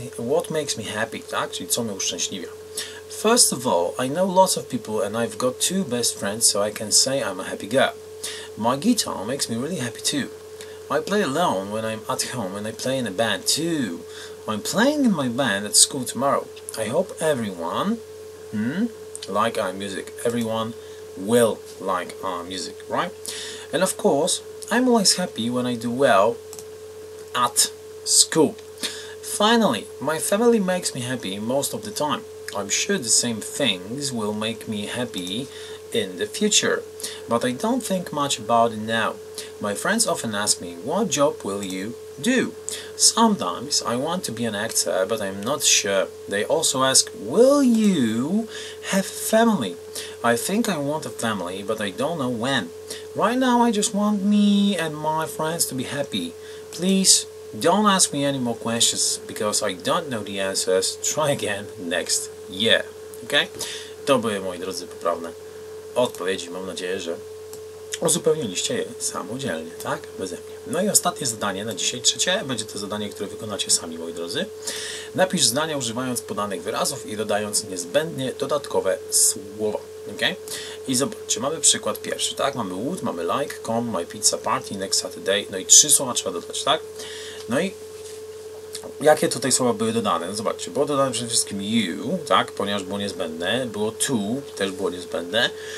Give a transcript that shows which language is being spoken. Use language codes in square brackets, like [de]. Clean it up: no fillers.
[en] What makes me happy, [pl] tak? Czyli co mnie uszczęśliwia. [en] First of all, I know lots of people and I've got two best friends, so I can say I'm a happy girl. My guitar makes me really happy too. I play alone when I'm at home and I play in a band too. I'm playing in my band at school tomorrow. I hope everyone like our music. Everyone will like our music, right? And of course, I'm always happy when I do well at school. Finally, my family makes me happy most of the time. I'm sure the same things will make me happy in the future, but I don't think much about it now. My friends often ask me, what job will you do? Sometimes I want to be an actor, but I'm not sure. They also ask, will you have a family? I think I want a family, but I don't know when. Right now I just want me and my friends to be happy. Please. Don't ask me any more questions, because I don't know the answers. Try again next year. Ok? [pl] To były, moi drodzy, poprawne odpowiedzi. Mam nadzieję, że uzupełniliście je samodzielnie, tak? Beze mnie. No i ostatnie zadanie na dzisiaj, trzecie, będzie to zadanie, które wykonacie sami, moi drodzy. Napisz zdania używając podanych wyrazów i dodając niezbędnie dodatkowe słowa. Ok? I zobaczcie, mamy przykład pierwszy, tak? [en] Mamy would, mamy like, come, my pizza party, next Saturday. [pl] No i trzy słowa trzeba dodać, tak? No i jakie tutaj słowa były dodane? No zobaczcie, było dodane przede wszystkim you, tak? Ponieważ było niezbędne. Było to, też było niezbędne.